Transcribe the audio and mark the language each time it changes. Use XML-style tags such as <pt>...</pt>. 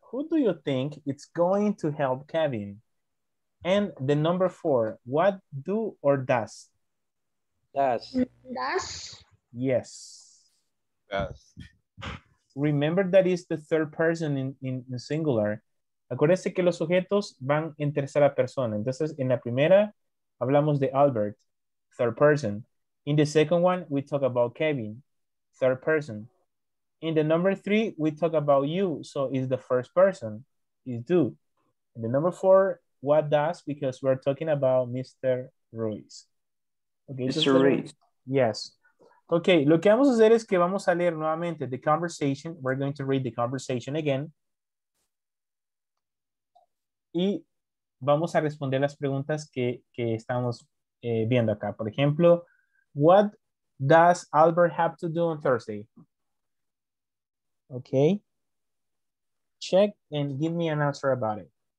<en>Who do you think it's going to help Kevin? And the number four, what do or does? Does. Yes. Does. Remember that is the third person in singular.</en> <es>Acuérdese que los sujetos van en tercera persona. Entonces, en la primera, hablamos de Albert,</es> <en>third person. In the second one, we talk about Kevin, third person. In the number three, we talk about you. So it's the first person, is do. And the number four, what does, because we're talking about Mr. Ruiz. Okay, Mr. Ruiz.</en> <es>Yes. Okay, lo que vamos a hacer es que vamos a leer nuevamente</es> <en>the conversation. We're going to read the conversation again.</en> <es>Y vamos a responder las preguntas que estamos viendo acá. Por ejemplo,</es> <en>what does Albert have to do on Thursday? Okay. Check and give me an answer about it.</en>